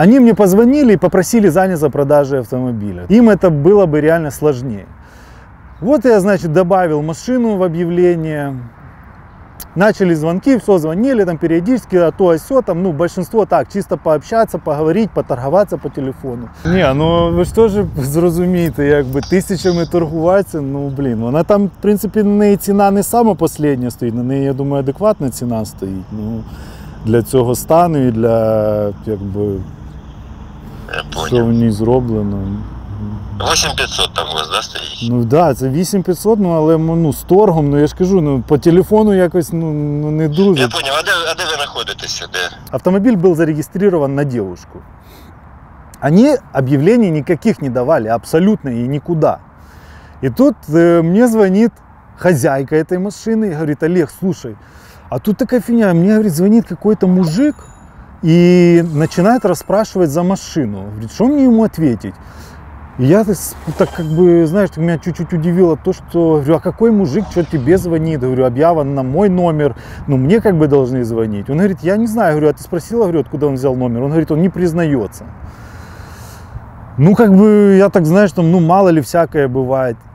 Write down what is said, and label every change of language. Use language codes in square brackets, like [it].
[ru] Они мне позвонили и попросили заняться продажей автомобиля. Им это было бы реально сложнее. Вот я, значит, добавил машину в объявление. Начали звонки, все звонили, там периодически, а то, а сё, там, ну, большинство так, чисто пообщаться, поговорить, поторговаться по телефону. Не, ну, вы что же [uk] зрозумієте, как бы, тисячами торгуватися, ну, блин, вона там, в принципе, на неї ціна [ru] не сама последняя [uk] стоїть, на неї, я думаю, адекватна ціна стоїть, ну, для цього стану і для, як би, що в ній зроблено. 8500 там у вас, да, стоїть? Ну да, це 8500, ну але ну, з торгом, ну я ж кажу, ну по телефону якось ну не дуже. [ru] Я понял, [uk] а де ви знаходитеся? Де? Автомобіль був зареєстрирован на дівчинку. Вони об'явлень ніяких не давали, абсолютно і нікуди. І тут мені дзвонить хазяйка цієї машини і говорить: Олег, слушай, а тут така фігня, мені говорить, дзвонить [ru] какой-то мужик [uk] і починає розпрашувати за машину. Говорить, що мені йому відповідати? [ru] И я так как бы, знаешь, так меня чуть-чуть удивило то, что говорю, а какой мужик, что тебе звонит? Говорю, объявлен на мой номер, ну мне как бы должны звонить. Он говорит, я не знаю, говорю, а ты спросила, говорю, откуда он взял номер? Он говорит, он не признается. Ну как бы, я так знаю, что ну мало ли всякое бывает.